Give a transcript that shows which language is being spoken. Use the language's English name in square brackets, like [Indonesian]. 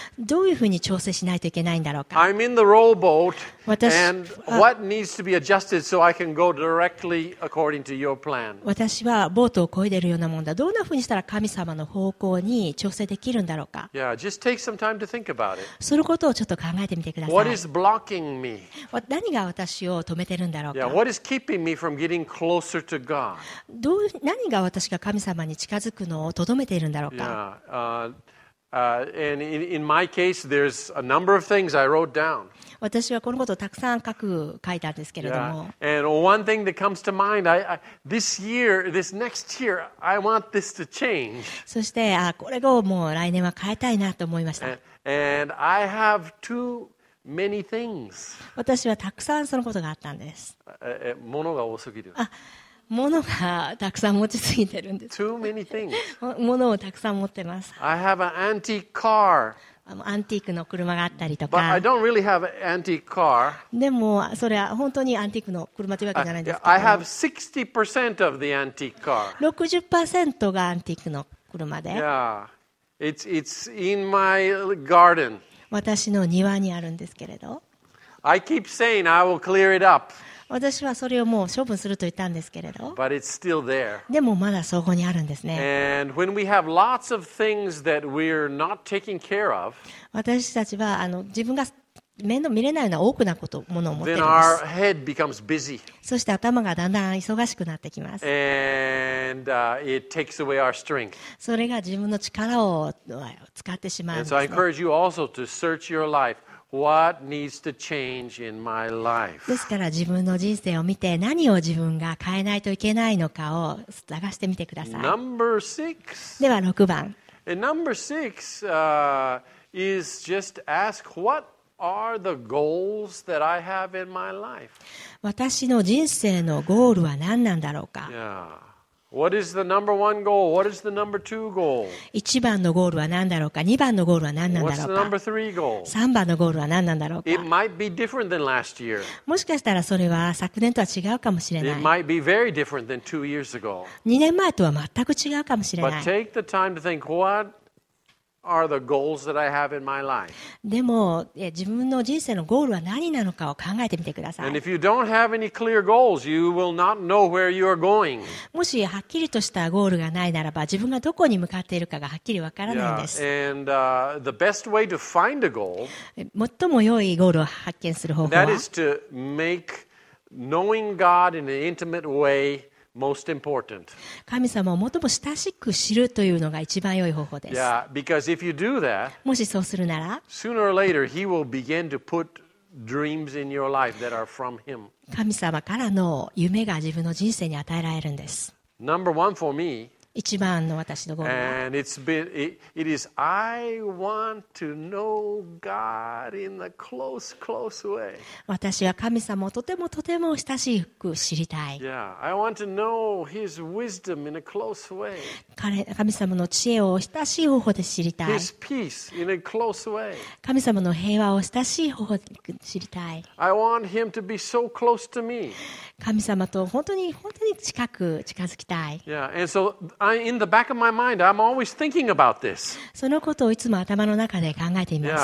[Japanese] どういうふうに調整しないといけないんだろうか。 [English] I'm in the rowboat, and what needs to be adjusted so I can go directly according to your plan? [Japanese] 私はボートを漕いでいるようなもんだ。どんなふうにしたら神様の方向に調整できるんだろうか。 [English] yeah, just take some time to think about it. [Japanese] そのことをちょっと考えてみてください。 [English] what is blocking me? [Japanese] 何が私を止めてるんだろうか。 [English] Yeah, what is keeping me from getting closer to God? [Japanese] どう、何が私が神様に近づくのをとどめているんだろうか。 [English] And in my case, there's a number of things I wrote down. [Japanese] 私はこのことをたくさん書いたんですけれども。 [English] Yeah. And one thing that comes to mind, this next year, I want this to change. [Japanese] そして、これをもう来年は変えたいなと思いました。 [English] And I have two... Many things. [Japanese] 私はたくさんそのことがあったんです。物が多すぎる。あ、物がたくさん持ちすぎてるんです。 [English] Too many things. [Japanese] 物をたくさん持ってます。 [English] I have an antique car. [Japanese] アンティークの車があったりとか。 [English] But I don't really have an antique car. [Japanese] でもそれは本当にアンティークの車というわけじゃないんですけど。 [English] I have 60% of the antique car. [Japanese] 60% がアンティークの車で。 [English] Yeah. It's in my garden. [Japanese] 私の庭にあるんですけれど、 [English] I keep saying I will clear it up. [Japanese] 私はそれをもう処分すると言ったんですけれど、 [English] But it's still there. [Japanese] でもまだそこにあるんですね。 [English] And when we have lots of things that we're not taking care of, [Japanese] 私たちは自分が面倒見れないような多くなことものを持っています [English] Then our head becomes busy. [Japanese] そして頭がだんだん忙しくなってきます。 [English] And, it takes away our strength. [Japanese] それが自分の力を使ってしまうんですね。 [English] And so I encourage you also to search your life. What needs to change in my life? [Japanese] ですから自分の人生を見て何を自分が変えないといけないのかを探してみてください。 [English] Number six. [Japanese] では6番。 [English] And number six, is just ask whatAre the goals that I have in my life? [Japanese] 私の人生のゴールは何なんだろうか。 [English] Yeah. What is the number one goal? What is the number two goal? [Japanese] 1番のゴールは何だろうか。2番のゴールは何なんだろうか。 [English] What's the number three goal? [Japanese] 3番のゴールは何なんだろうか。 [English] It might be different than last year. [Japanese] もしかしたらそれは昨年とは違うかもしれない。 [English] It might be very different than two years ago. [Japanese] 2年前とは全く違うかもしれない。 [English] But take the time to think whatAre the goals that I have in my life. [Japanese] でも自分の人生のゴールは何なのかを考えてみてください。 [English] And if you don't have any clear goals, you will not know where you are going. [Japanese] もしはっきりとしたゴールがないならば、自分がどこに向かっているかがはっきりわからないんです。 [English] Yeah. And, the best way to find a goal, [Japanese] 最も良いゴールを発見する方法は、 [English] That is to make knowing God in an intimate way. Most important. [Japanese] 神様を最も親しく知るというのが一番良い方法です。 [English] Yeah, because if you do that, [Japanese] もしそうするなら、 [English] sooner or later, he will begin to put dreams in your life that are from him. [Japanese] 神様からの夢が自分の人生に与えられるんです。 [English] Number one for me, [Japanese] 一番の私のゴールは、 [English] And it's been, it is, I want to know God in a close, close way. [Japanese] 私は神様をとてもとても親しく知りたい。 [English] Yeah, I want to know His wisdom in a close way. [Japanese] 神様の知恵を親しい方法で知りたい。 [English] His peace in a close way. [Japanese] 神様の平和を親しい方法で知りたい。 [English] I want Him to be so close to me. [Japanese] 神様と本当に本当に近く近づきたい。 [English] Yeah, and so,In the back of my mind, I'm always thinking about this. [Japanese] そのことをいつも頭の中で考えています。